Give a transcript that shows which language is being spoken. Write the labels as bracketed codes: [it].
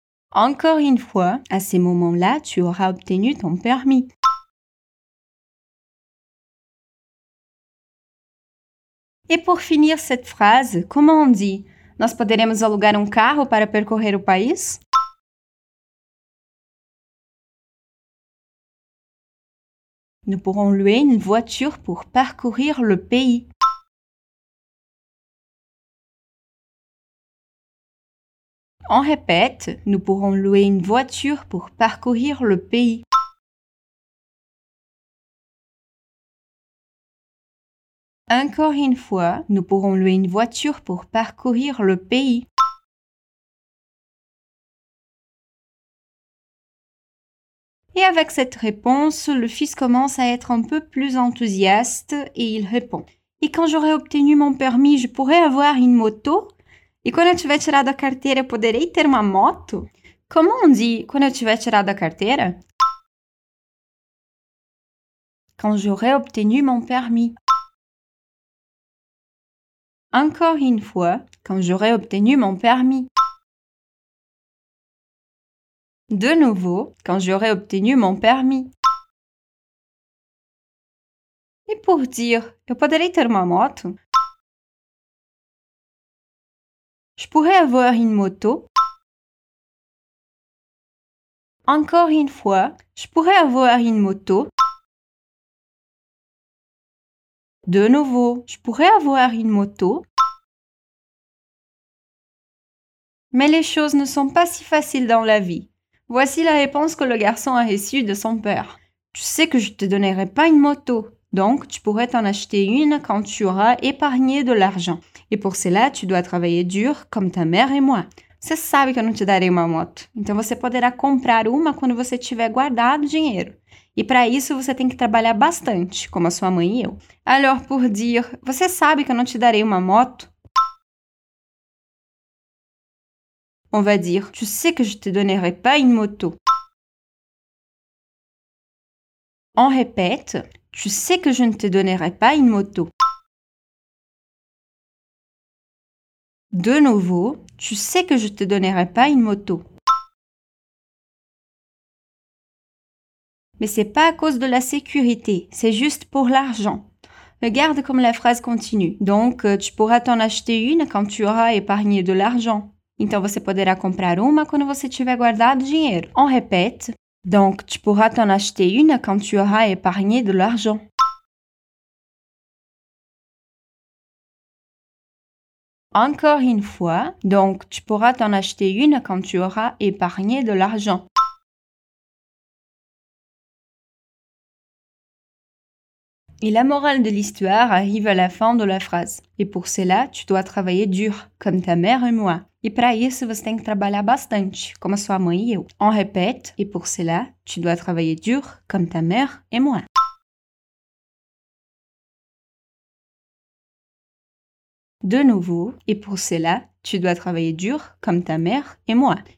[fr] Encore une fois, à ce moment-là, tu auras obtenu ton permis. Et pour finir cette phrase, comment on dit? [pt] Nós poderemos alugar carro para percorrer o país? [fr] Nous pourrons louer une voiture pour parcourir le pays. On répète, nous pourrons louer une voiture pour parcourir le pays. Encore une fois, nous pourrons louer une voiture pour parcourir le pays. Et avec cette réponse, le fils commence à être un peu plus enthousiaste et il répond. Et quand j'aurai obtenu mon permis, je pourrai avoir une moto? [pt] E quando eu tiver tirado a carteira, eu poderei ter uma moto? [fr] Comment on dit [pt] quando eu tiver tirado a carteira? [fr] Quand j'aurai obtenu mon permis. Encore une fois, quand j'aurai obtenu mon permis. De nouveau, quand j'aurai obtenu mon permis. Et pour dire, [pt] eu poderei ter uma moto? [fr] Je pourrais avoir une moto. Encore une fois, je pourrais avoir une moto. De nouveau, je pourrais avoir une moto. Mais les choses ne sont pas si faciles dans la vie. Voici la réponse que le garçon a reçue de son père. Tu sais que je ne te donnerai pas une moto, donc tu pourrais t'en acheter une quand tu auras épargné de l'argent. Et pour cela, tu dois travailler dur comme ta mère et moi. [pt] Você sabe que eu não te darei uma moto. Então você poderá comprar uma quando você tiver guardado dinheiro. E para isso você tem que trabalhar bastante, como a sua mãe e eu. [fr] Alors pour dire, [pt] você sabe que eu não te darei uma moto? [fr] On va dire, tu sais que je te donnerai pas une moto. On répète, tu sais que je ne te donnerai pas une moto. De nouveau, tu sais que je ne te donnerai pas une moto. Mais c'est pas à cause de la sécurité, c'est juste pour l'argent. Regarde comme la phrase continue. Donc, tu pourras t'en acheter une quand tu auras épargné de l'argent. [pt] Então, você poderá comprar uma quando você tiver guardado dinheiro. [fr] On répète. Donc, tu pourras t'en acheter une quand tu auras épargné de l'argent. Encore une fois, donc tu pourras t'en acheter une quand tu auras épargné de l'argent. Et la morale de l'histoire arrive à la fin de la phrase. Et pour cela, tu dois travailler dur, comme ta mère et moi. [pt] Et para isso, você tem que trabalhar bastante, como a sua mãe e eu. [fr] On répète, et pour cela, tu dois travailler dur, comme ta mère et moi. De nouveau, et pour cela, tu dois travailler dur comme ta mère et moi.